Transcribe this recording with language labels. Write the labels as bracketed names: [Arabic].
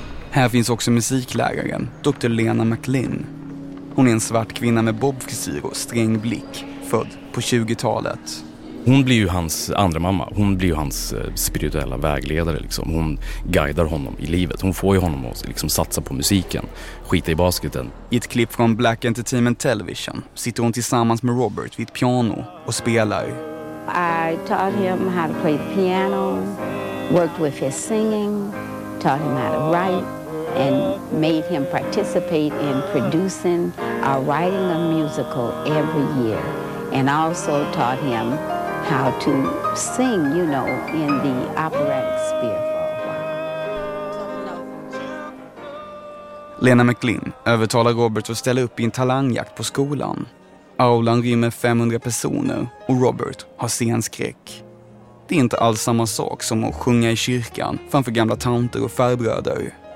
[Swedish] Här finns också musikläraren, Dr. Lena McLean. Hon är en svart kvinna med bobfrisyr och sträng blick, född på 20-talet. Hon blir ju hans andra mamma. Hon blir ju hans spirituella vägledare. Liksom. Hon guidar honom i livet. Hon får ju honom att liksom satsa på musiken. Skita i basketen. I ett klipp från Black Entertainment Television sitter hon tillsammans med Robert vid ett piano och spelar. [English] I taught him how to play the piano. Worked with his singing. Taught him how to write. And made him participate in producing or writing a musical every year. And also taught him how to sing, you know, in the operatic sphere. [Swedish] Lena McLean övertalar Robert att ställa upp i en talangjakt på skolan. Aulan rymmer 500 personer och Robert har scenskräck. Det är inte alls samma sak som att sjunga i kyrkan framför gamla tanter och farbröder.